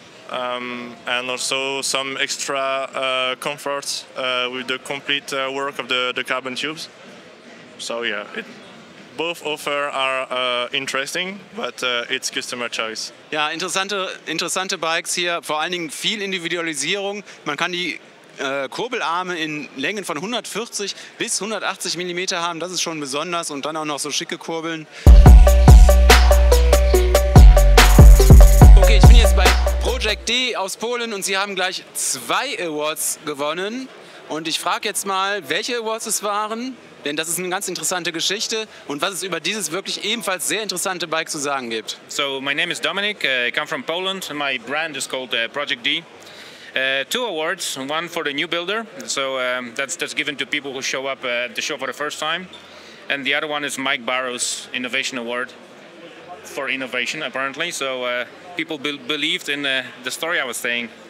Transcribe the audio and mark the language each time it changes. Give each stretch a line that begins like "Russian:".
English: And also some extra comfort with the complete work of the carbon tubes. So yeah, both offer are interesting, but it's customer choice.
German: Ja, interessante Bikes hier, vor allen Dingen viel Individualisierung. Man kann die Kurbelarme in Längen von 140 bis 180 mm haben, das ist schon besonders, und dann auch noch so schicke Kurbeln. Okay, ich bin jetzt bei Project D aus Polen und sie haben gleich zwei Awards gewonnen. Und ich frage jetzt mal, welche Awards es waren, denn das ist eine ganz interessante Geschichte und was es über dieses wirklich ebenfalls sehr interessante Bike zu sagen gibt.
English: So, my name is Dominik, I come from Poland, my brand is called Project D. Two awards, one for the new builder, so that's given to people who show up at the show for the first time. And the other one is Mike Barrow's Innovation Award for innovation, apparently. So people believed in the story I was saying.